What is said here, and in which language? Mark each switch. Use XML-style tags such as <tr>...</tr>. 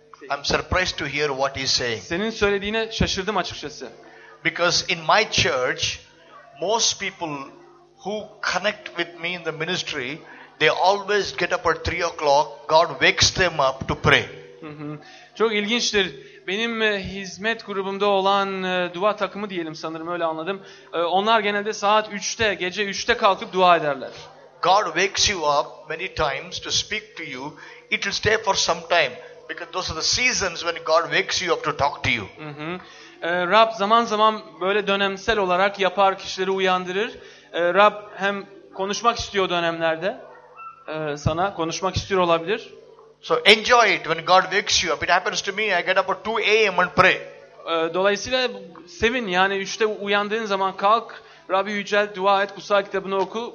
<en>I'm surprised to hear what he's saying.</en> <tr>Senin söylediğine şaşırdım açıkçası.</tr> <en>Because in my church, most people who connect with me in the ministry, they always get up at 3 o'clock. God wakes them up to pray.</en> <tr>Çok ilginçtir. Benim hizmet grubumda olan dua takımı diyelim sanırım öyle anladım. Onlar genelde saat 3'te, gece 3'te kalkıp dua ederler.</tr> <en>God wakes you up many times to speak to you. It will stay for some time because those are the seasons when God wakes you up to talk to you.</en> <tr>Rab zaman zaman böyle dönemsel olarak yapar, kişileri uyandırır. Rab hem konuşmak istiyor dönemlerde sana, konuşmak istiyor olabilir.</tr> <en>So enjoy it when God wakes you up. It happens to me. I get up at 2 a.m. and pray.</en> <tr>Dolayısıyla sevin yani 3'te uyandığın zaman kalk, Rabbi yücel, dua et, kutsal kitabını oku.</tr>